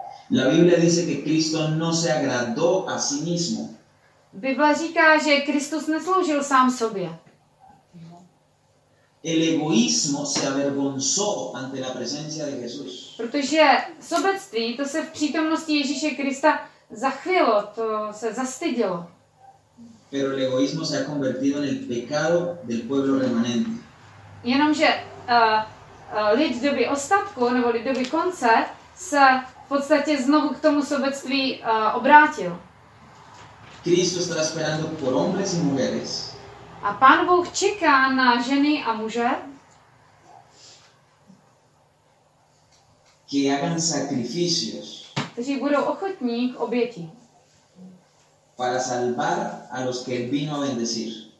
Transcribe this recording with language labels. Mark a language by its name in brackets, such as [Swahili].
[Spanish] La Biblia dice que Cristo no se agradó a sí mismo. [Czech] Bible říká, že Kristus nesloužil sám sobě. [Spanish] El egoísmo se avergonzó ante la presencia de Jesús. [Czech] Protože sobectví, to se v přítomnosti Ježíše Krista zachvělo, to se zastydilo. [Spanish] Pero el egoísmo se ha convertido en el pecado del pueblo remanente. [Czech] Jenomže lid doby ostatku, nebo lid doby konce, se v podstatě znovu k tomu sobectví obrátil. [Spanish] Cristo está esperando por hombres y mujeres. [Czech] A Pán Bůh čeká na ženy a muže, [Spanish] que hagan sacrificios, [Czech] kteří budou ochotní k oběti. [Spanish] Para salvar a los que vino a bendecir.